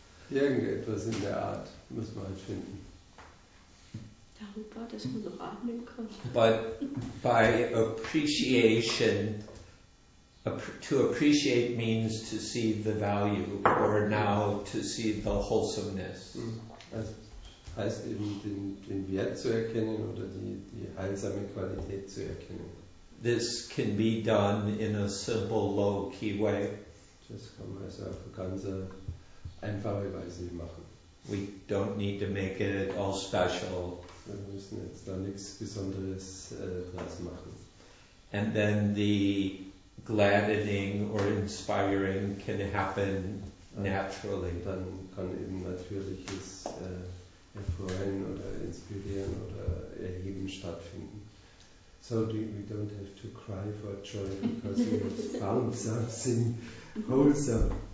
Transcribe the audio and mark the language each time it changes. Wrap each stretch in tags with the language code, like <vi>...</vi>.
<de>Irgendetwas in der Art muss man halt finden. Darüber, dass man noch atmen kann.</de> <en>But by appreciation, to appreciate means to see the value, or now to see the wholesomeness.</en> <de>Das heißt eben, den Wert zu erkennen oder die heilsame Qualität zu erkennen.</de> <en>This can be done in a simple, low-key way.</en> <de>Das kann man also auf eine ganz einfache Weise machen.</de> <en>We don't need to make it all special.</en> <de>Wir müssen jetzt da nichts Besonderes draus machen.</de> <en>And then the gladdening or inspiring can happen naturally.</en> <de>Dann kann eben natürliches Erfreuen oder Inspirieren oder Erheben stattfinden.</de> <en>So we don't have to cry for joy because we have found something wholesome.</en>